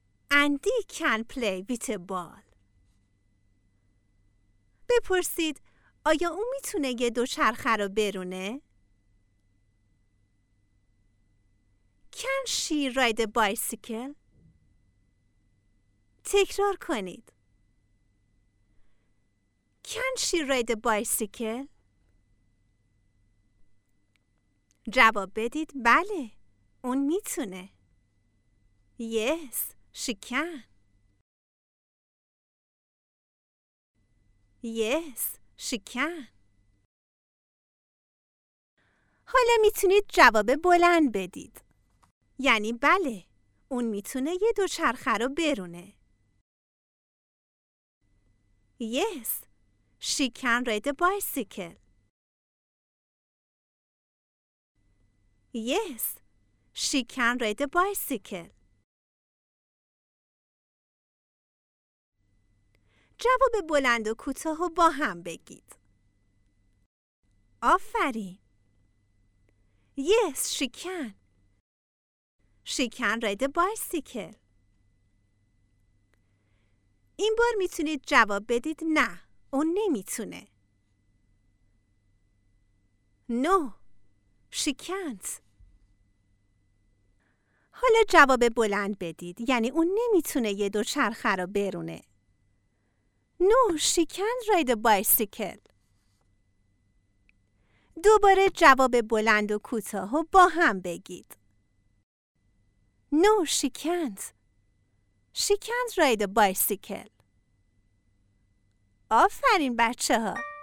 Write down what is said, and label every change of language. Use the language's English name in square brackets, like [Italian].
[English] Andy can play with a ball. [Persian] بپرسید آیا اون میتونه یه دوچرخه رو برونه؟ [English] Can she ride a bicycle? [Persian] تکرار کنید. [English] Can she ride a bicycle? [Persian] جواب بدید بله، اون میتونه. [English] Yes, she can. Yes, she can. [Persian] حالا میتونید جواب بلند بدید. یعنی بله، اون میتونه یه دوچرخه رو برونه. [English] Yes, she can ride a bicycle. Yes, she can ride a bicycle. [Persian] جواب بلند و کوتاه رو با هم بگید. آفرین. [English] Yes, she can. She can ride a bicycle. [Persian] این بار میتونید جواب بدید نه، اون نمیتونه. [English] No, she can't. [Persian] حالا جواب بلند بدید، یعنی اون نمیتونه یه دوچرخه رو برونه. [English] No, she can't ride a bicycle. [Persian] دوباره جواب بلند و کوتاه رو با هم بگید. [English] No, she can't. She can't ride a bicycle. [Persian] آفرین بچه ها.